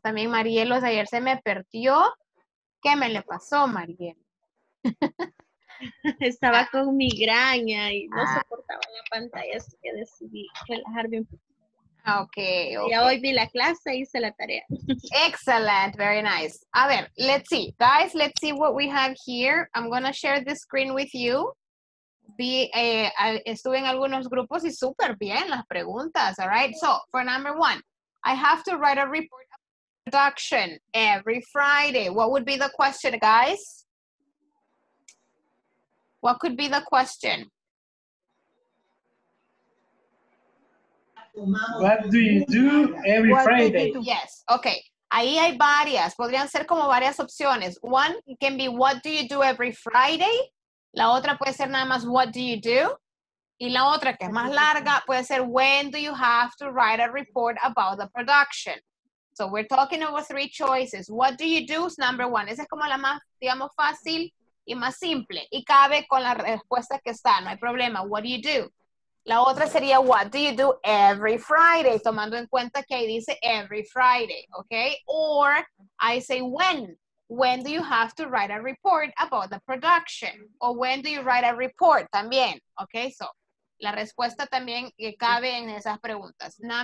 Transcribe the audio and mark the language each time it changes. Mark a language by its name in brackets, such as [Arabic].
[Spanish] También Marielos, ayer se me perdió. ¿Qué me le pasó, Marielos? Estaba con migraña y no soportaba la pantalla, así que decidí relajarme un poco. [English] Okay, okay. [Spanish] Ya hoy vi la clase, hice la tarea. [English] Excellent, very nice. [Spanish] A ver, [English] let's see. Guys, let's see what we have here. I'm going to share the screen with you. [Spanish] Estuve en algunos grupos y súper bien las preguntas, [English] all right? So, for number one, I have to write a report of production every Friday. What would be the question, guys? What could be the question? What do you do every what Friday? Do? Yes, okay. [Spanish] Ahí hay varias. Podrían ser como varias opciones. [English] One can be, what do you do every Friday? [Spanish] La otra puede ser nada más, [English] what do you do? [Spanish] Y la otra, que es más larga, puede ser, [English] when do you have to write a report about the production? So we're talking over three choices. What do you do is number one. [Spanish] Esa es como la más, digamos, fácil y más simple. Y cabe con la respuesta que está. No hay problema. [English] What do you do? [Spanish] La otra sería, [English] what do you do every Friday? [Spanish] Tomando en cuenta que ahí dice [English] every Friday, [Spanish] okay? [English] Or I say, when do you have to write a report about the production? Or when do you write a report [Spanish] también, [English] okay? [Spanish] So, la respuesta también cabe en esas preguntas.